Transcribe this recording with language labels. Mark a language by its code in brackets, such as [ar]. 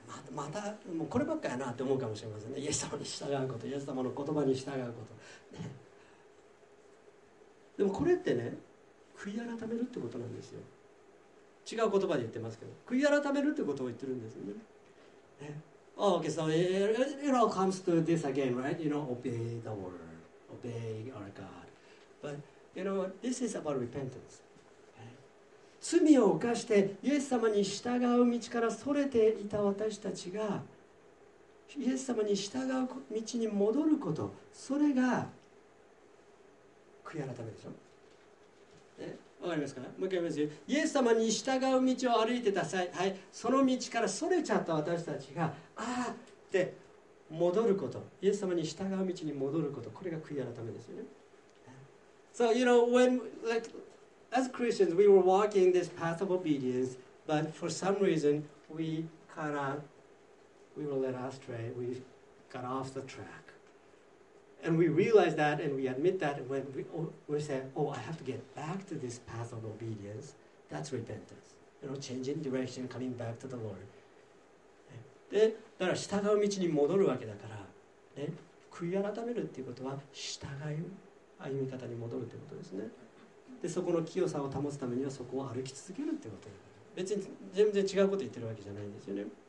[ja] またもうこればっかやなって思うかもしれませんね。イエス様に従うこと、イエス様の言葉に従うこと、ね、でもこれってね、悔い改めるってことなんですよ。違う言葉で言ってますけど、悔い改めるってことを言ってるんですよ ね。 [en] Oh, okay, so it all comes to this again, right? You know, obey the word, obey our God. But you know, this is about repentance. [ja] 罪を犯してイエス様に従う道からそれていた私たちが、イエス様に従う道に戻ること、それが悔い改めでしょ。わかりますか。もう一回言いますよ。イエス様に従う道を歩いてた際、はい、その道からそれちゃった私たちが、ああって戻ること、イエス様に従う道に戻ること、これが悔い改めですよね。 [en] So you know, when likeAs Christians, we were walking this path of obedience, but for some reason, we were led astray, we got off the track. And we realized that, and we admit that, and when we say, oh, I have to get back to this path of obedience, that's repentance. You know, changing direction, coming back to the Lord. [ja] で、だから従う道に戻るわけだから、ね、悔い改めるっていうことは、従う歩み方に戻るということですね。でそこの清さを保つためにはそこを歩き続けるってこと。別に全然違うこと言ってるわけじゃないんですよね。